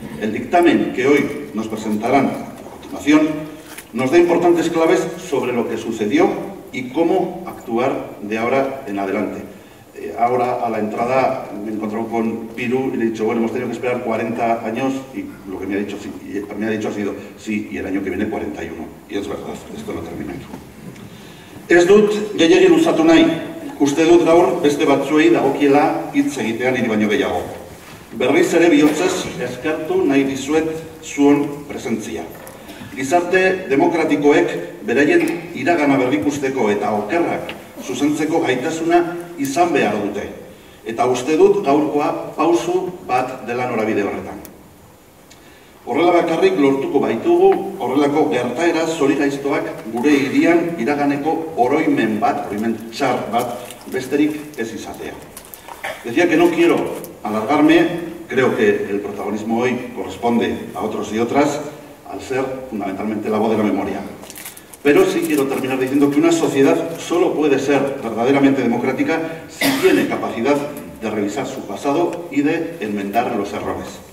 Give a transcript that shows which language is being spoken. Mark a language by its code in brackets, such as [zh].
[es] El dictamen que hoy nos presentarán a continuación nos da importantes claves sobre lo que sucedió y cómo actuar de ahora en adelante. Ahora, a la entrada, me encontré con Piru y le he dicho, bueno, hemos tenido que esperar 40 años y lo que me ha dicho ha sido, sí, y el año que viene 41. Y es verdad, esto no termina aquí. [eu] Ez dut gehiagin luzatu nahi, uste dut gaur beste batzuei dagokiela hitz egitean niri baino gehiago. Berriz ere bihotzez eskertu nahi dizuet zuen presentzia. Gizarte demokratikoek beraien iragana berrikusteko eta okerrak zuzentzeko gaitasuna izan behar dute. Eta uste dut gaurkoa pausu bat dela norabide horretan. Horrela bakarrik lortuko baitugu, horrelako gertaera zorigaiztoak gure hirian iraganeko oroimen txar bat, besterik ez izatea. [es] Decía que no quiero alargarme, creo que el protagonismo hoy corresponde a otros y otras, al ser fundamentalmente la voz de la memoria. Pero sí quiero terminar diciendo que una sociedad solo puede ser verdaderamente democrática si tiene capacidad de revisar su pasado y de enmendar los errores.